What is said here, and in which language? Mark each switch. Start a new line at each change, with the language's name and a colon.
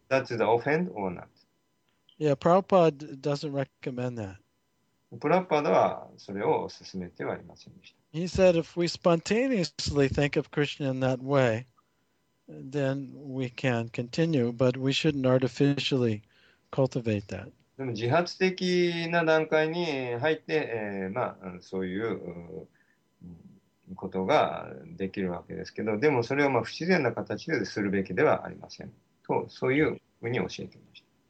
English: That's the offhand or not? Yeah, Prabhupada doesn't recommend that.
Japanese: Prabhupada はそれを勧めてはいませんでした。
English: He said if we spontaneously think of Krishna in that way, then we can continue, but we shouldn't artificially cultivate that.
Japanese: でも自発的な段階に入って、まあ、そういう、ことができるわけですけど、でもそれをまあ不自然な形でするべきではありませんと、そういうふうに教えていました。